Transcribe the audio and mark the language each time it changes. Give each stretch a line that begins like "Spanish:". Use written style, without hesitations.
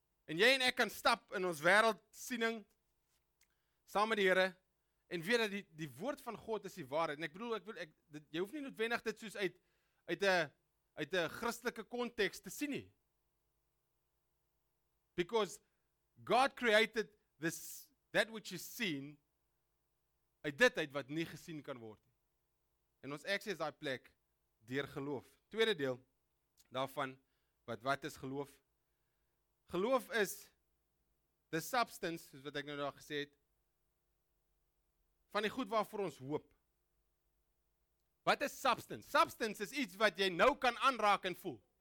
Afrikaans: En jy en ek kan stap in ons wêreldsiening saam met die Here en weet dat die woord van God is die waarheid. En ek bedoel, jy hoef nie noodwendig dit soos uit 'n Christelike konteks te sien nie.
English: Because God created this that which is seen
Afrikaans: uit dit uit wat nie gesien kan word nie. En ons ek sê daai plek deur geloof. Tweede deel daarvan, wat is geloof? Geloof
English: is the substance,
Afrikaans: soos wat ek nou daar gesê het, van die goed waarvoor ons hoop. Wat is substance? Substance is iets wat jy nou kan aanraak en voel.